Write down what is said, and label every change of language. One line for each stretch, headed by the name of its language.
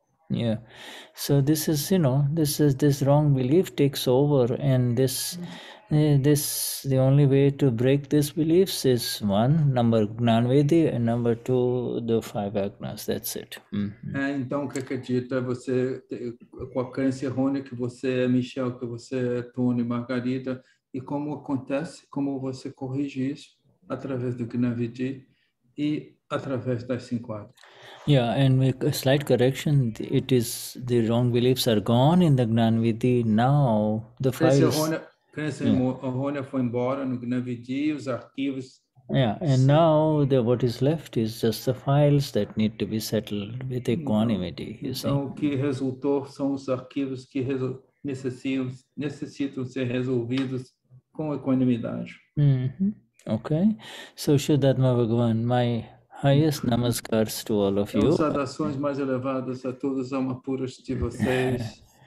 English: Yeah, so this is, you know, this wrong belief takes over, and the only way to break this belief is one, number Gnanvedi, and number two, the five agnas, that's it.
Portuguese: É, então, o que acredita é você, com a crença errônea que você é Michel, que você é Tony, Margarida, e como acontece, como você corrige isso, através do Gnanvedi, e através das cinco agnas.
English: Yeah, and with a slight correction, it is the wrong beliefs are gone in the Gnanvidhi. Now the five.
Portuguese: Crença errônea foi embora no Gnanvidhi, os arquivos.
English: Yeah, and now what is left is just the files that need to be settled with equanimity. You see.
Portuguese: Então, o que resultou são os arquivos que necessitam ser resolvidos com equanimidade.
English: Okay, so Vishuddhatma Bhagavan, my highest namaskars to all of you.
Portuguese: Saudações mais elevadas a todos, alma puras de vocês.